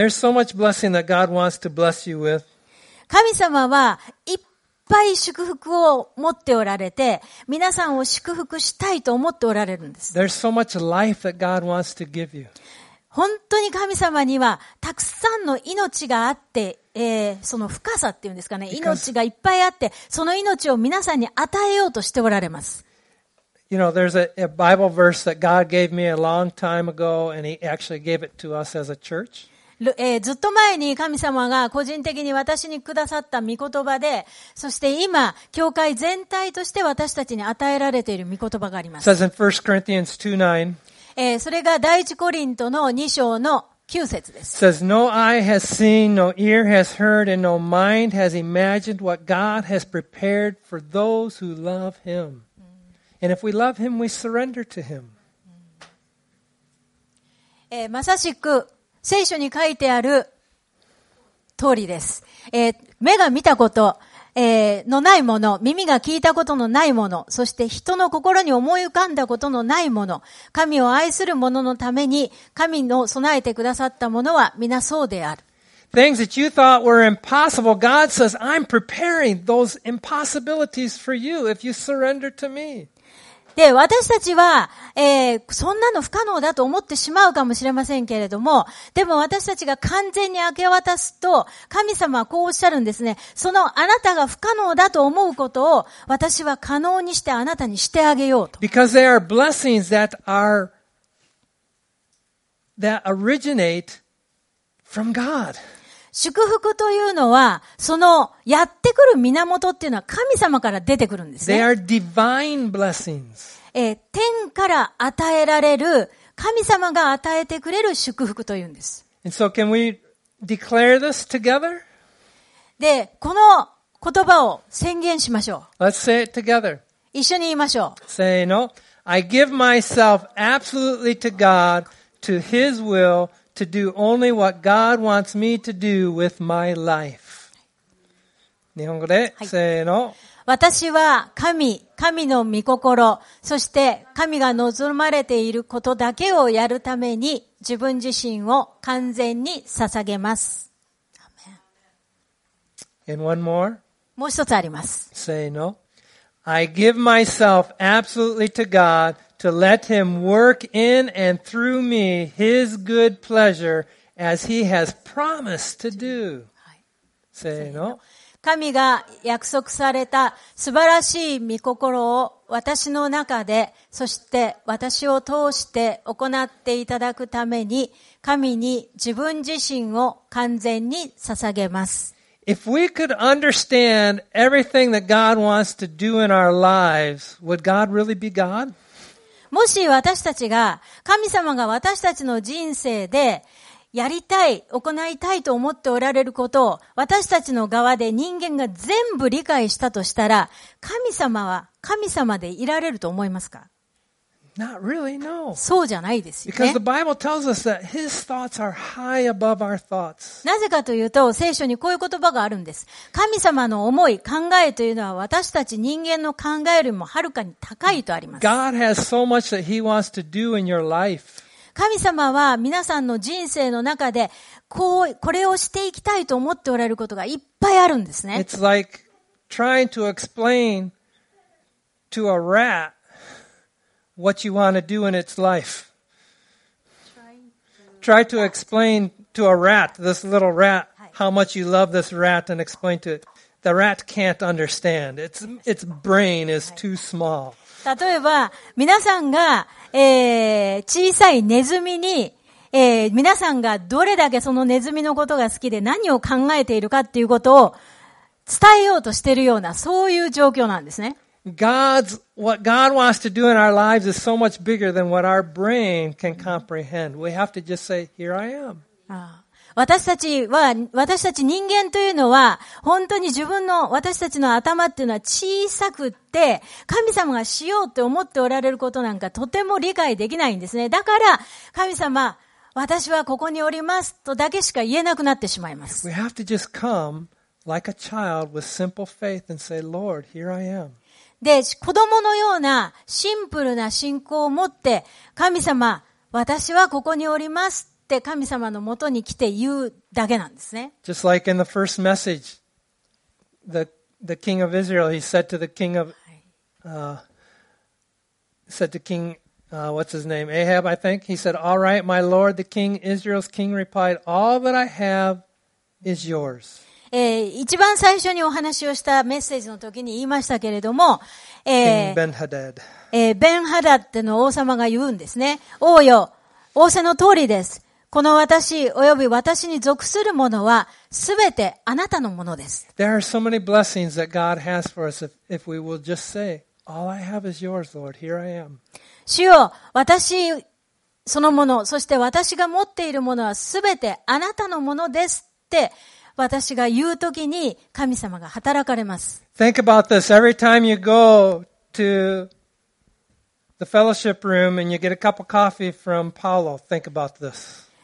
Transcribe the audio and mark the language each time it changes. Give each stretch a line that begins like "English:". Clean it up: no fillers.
English: There's so much blessing that God wants to bless you with.
Japanese: 神様はいっぱい祝福を持っておられて、皆さんを祝福したいと思っておられるんです。
English: There's so much life that God wants to give you.
Japanese: 本当に神様にはたくさんの命があって、その深さっていうんですかね、命がいっぱいあって、その命を皆さんに与えようとしておられます。
English: You know, there's a Bible verse that God gave me a long time ago, and He actually gave it to us as a church.
Japanese: ずっと前に神様が個人的に私にくださった御言葉で、そして今、教会全体として私たちに与えられている御言葉があります。
English: Says in 1 Corinthians 2:9.
Japanese: それが第一コリントの2章の9節です。
English: Says, no eye has seen, no ear has heard, and no mind has imagined what God has prepared for those who love Him. And if we love Him, we surrender to Him.
Japanese: まさしく聖書に書いてある通りです。目が見たこと、のないもの、耳が聞いたことのないもの、そして人の心に思い浮かんだことのないもの、神を愛する者のために神の備えてくださったものは皆そうである。
English: Things that you thought were impossible, God says, "I'm preparing those impossibilities for you if you surrender to me."
Japanese: で私たちは、そんなの不可能だと思ってしまうかもしれませんけれども、でも私たちが完全に明け渡すと神様はこうおっしゃるんですね。そのあなたが不可能だと思うことを私は可能にしてあなたにしてあげようと。
English: Because there are blessings that are that originate from God.
Japanese: 祝福というのはそのやってくる源っていうのは神様から出てくるんですね。
English: They are divine blessings.
Japanese: 天から与えられる、神様が与えてくれる祝福というんです。
English: And so can we declare this together?
Japanese: で、この言葉を宣言しましょう。
English: Let's say it together.
Japanese: 一緒に言いましょう。
English: Say no. I give myself absolutely to God. To His will, to do only what God wants me to do with my life.
Japanese: 日本語で、せーの。私は神、神の御心、そして神が望まれていることだけをやるために自分自身を完全に捧げます。
English: And one more.
Japanese: もう一つあります。せーの。
English: I give myself absolutely to God. To let him work in and through me his good pleasure as he has promised to do.
Japanese: せーの。神が約束された素晴らしい御心を私の中で、そして私を通して行っていただくために、神に自分自身を完全に捧げます。
English: If we could understand everything that God wants to do in our lives, would God really be God?
Japanese: もし私たちが、神様が私たちの人生でやりたい、行いたいと思っておられることを私たちの側で人間が全部理解したとしたら、神様は神様でいられると思いますか？
English: Not really, no.
Japanese: そうじゃないですよね。
English: Because the Bible tells us that His thoughts are high above our thoughts.
Japanese: なぜかというと、聖書にこういう言葉があるんです。神様の思い、考えというのは私たち人間の考えよりもはるかに高いとあります。
English: God has so much that He wants to do in your life.
Japanese: 神様は皆さんの人生の中で、これをしていきたいと思っておられることがいっぱいあるんですね。
English: It's like trying to explain to a rat. What you want to do in its life. Try to explain to a rat, this little rat, how much you love this rat and explain to it. The rat can't understand. Its brain is too small.
Japanese: 例えば、皆さんが、小さいネズミに、皆さんがどれだけそのネズミのことが好きで何を考えているかっていうことを伝えようとしているような、そういう状況なんですね。
English: What God wants to do in our lives is so much bigger than what our brain can comprehend. We have to just say, "Here I am."
Japanese: 私たち人間というのは本当に自分の私たちの頭っていうのは小さくって、神様がしようって思っておられることなんかとても理解できないんですね。だから神様、私はここにおりますとだけしか言えなくなってしまいます。
English: We have to just come like a child with simple faith and say, "Lord, here I am."
Japanese: で、子供のようなシンプルな信仰を持って、神様、私はここにおりますって神様のもとに来て言うだけなんですね。
English: Just like in the first message, the king of Israel, he said to the king of, said to king, what's his name? Ahab, I think. He said, All right, my lord, the king, Israel's king replied, All that I have is yours.
Japanese: 一番最初にお話をしたメッセージの時に言いましたけれども、ベンハダッドの王様が言うんですね。王よ、仰せの通りです。この私及び私に属するものはすべてあなたのものです。
English: There are so many blessings that God has for us if we will just say, All I have is yours, Lord. Here I am.
Japanese: 主よ、私そのもの、そして私が持っているものはすべてあなたのものですって私が言うときに神様が働かれます。
English: Think about this. Every time you go to the fellowship room and you get a cup of coffee from Paulo, think about this.